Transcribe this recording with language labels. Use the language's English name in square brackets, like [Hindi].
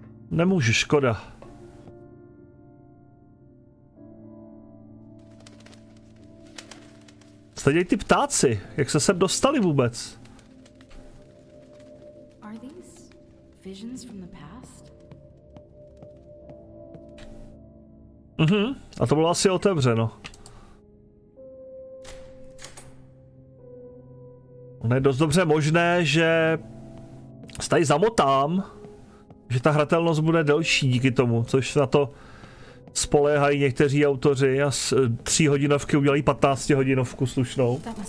[Czech] Nemůžu, škoda. Stejně ty ptáci, jak se sem dostali vůbec? [English] Are these visions from the past? [Czech] Mhm, a to bylo asi otevřeno. Ono je dost dobře možné, že se tady zamotám, že ta hratelnost bude delší díky tomu, což na to spoléhají někteří autoři a z 3 hodinovky udělají 15 hodinovku slušnou.